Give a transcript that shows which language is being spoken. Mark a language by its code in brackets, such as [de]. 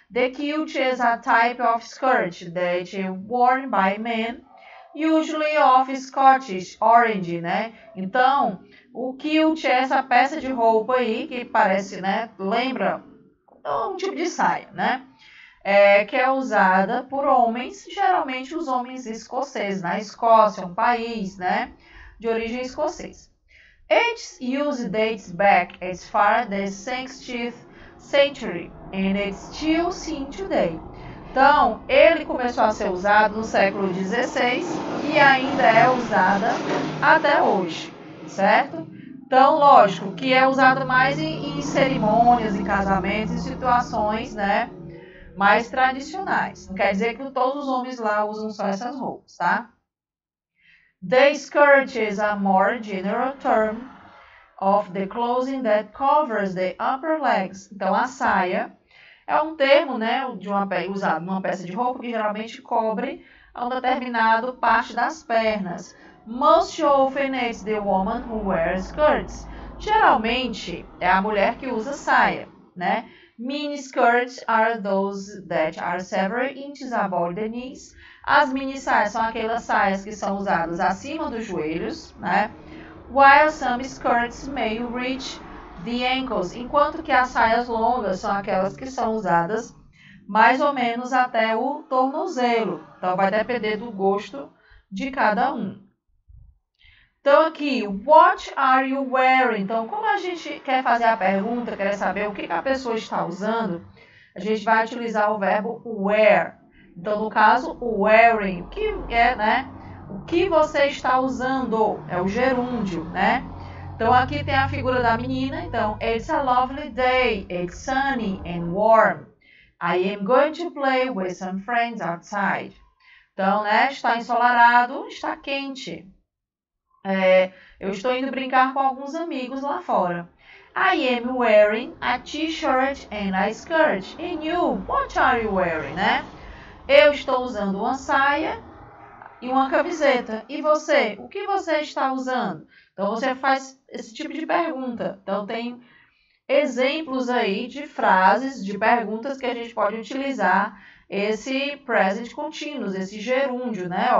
[en] The kilt is a type of skirt that is worn by men, usually of Scottish origin, né? [pt] Então, o kilt é essa peça de roupa aí que parece, né, lembra um tipo de saia, né? Que é usada por homens, geralmente os homens escoceses, na Escócia, um país, né, de origem escocesa. [en] It's used dates back as far as the 16th century and it's still seen today. [pt] Então, ele começou a ser usado no século 16 e ainda é usada até hoje, certo? Então, lógico, que é usado mais em cerimônias, em casamentos, em situações, né, mais tradicionais. Não quer dizer que todos os homens lá usam só essas roupas, tá? [en] The skirt is a more general term of the clothing that covers the upper legs. [pt] Então, a saia é um termo, né, usado numa peça de roupa que geralmente cobre um determinado parte das pernas. [en] Most often it's the woman who wears skirts. [pt] Geralmente é a mulher que usa saia, né? [en] Mini skirts are those that are several inches above the knees. [pt] As mini saias são aquelas saias que são usadas acima dos joelhos, né? [en] While some skirts may reach The ankles, [pt] enquanto que as saias longas são aquelas que são usadas mais ou menos até o tornozelo. Então, vai depender do gosto de cada um. Então, aqui, [en] what are you wearing? [pt] Então, como a gente quer fazer a pergunta, quer saber o que a pessoa está usando, a gente vai utilizar o verbo wear. Então, no caso, wearing, que é, né? O que você está usando? É o gerúndio, né? Então, aqui tem a figura da menina. [en] Então, it's a lovely day. It's sunny and warm. I am going to play with some friends outside. [pt] Então, né? Está ensolarado, está quente. Eu estou indo brincar com alguns amigos lá fora. [en] I am wearing a t-shirt and a skirt. And you, what are you wearing, né? [pt] Eu estou usando uma saia e uma camiseta. E você, o que você está usando? Então você faz esse tipo de pergunta. Então tem exemplos aí de frases, de perguntas que a gente pode utilizar esse present continuous, esse gerúndio, né?